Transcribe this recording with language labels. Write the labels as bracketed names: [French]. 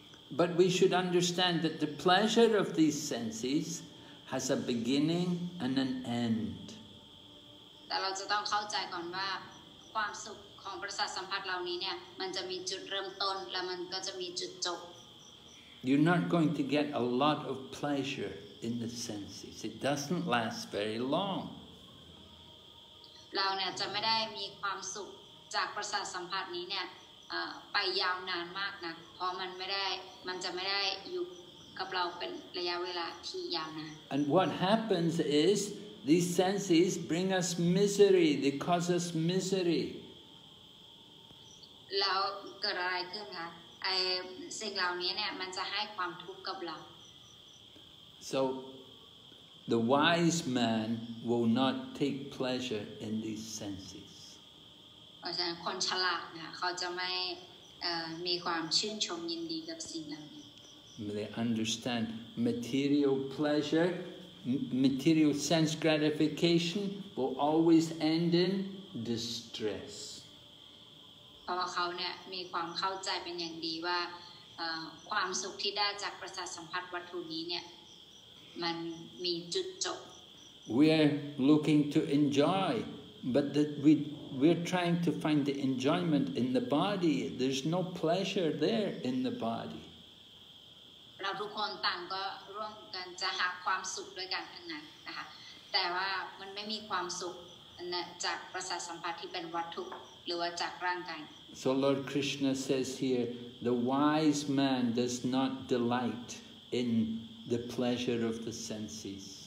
[English] But we should understand that the pleasure of these senses has a beginning and an end. [Thai] แต่เราจะต้องเข้าใจก่อนว่าความสุขของประสาทสัมผัสเหล่านี้เนี่ยมันจะมีจุดเริ่มต้นแล้วมันก็จะมีจุดจบ [English] You're not going to get a lot of pleasure in the senses. It doesn't last very long. [Thai] เราเนี่ยจะไม่ได้มีความสุขจากประสาทสัมผัสนี้เนี่ยไปยาวนานมากนะเพราะมันจะไม่ได้อยู่กับเราเป็นระยะเวลาที่ยาวนาน [English] And what happens is these senses bring us misery. They cause us misery. [Thai] แล้วเกิดอะไรขึ้นคะไอ้สิ่งเหล่านี้เนี่ยมันจะให้ความทุกข์กับเรา [English] So the wise man will not take pleasure in these senses. [Thai] เพราะฉะนั้นคนฉลาดนะเขาจะไม่มีความชื่นชมยินดีกับสิ่งเหล่านี้ [English] They understand material pleasure, material sense gratification will always end in distress. [Thai] เพราะว่าเขาเนี่ยมีความเข้าใจเป็นอย่างดีว่าความสุขที่ได้จากประสาทสัมผัสวัตถุนี้เนี่ยมันมีจุดจบ [English] We are looking to enjoy, but that we're trying to find the enjoyment in the body. There's no pleasure there in the body. [Thai] เราทุกคนต่างก็ร่วมกันจะหาความสุขด้วยกันทั้งนั้นนะคะแต่ว่ามันไม่มีความสุขจากประสาทสัมผัสที่เป็นวัตถุหรือว่าจากร่างกาย [English] So Lord Krishna says here, the wise man does not delight in the pleasure of the senses.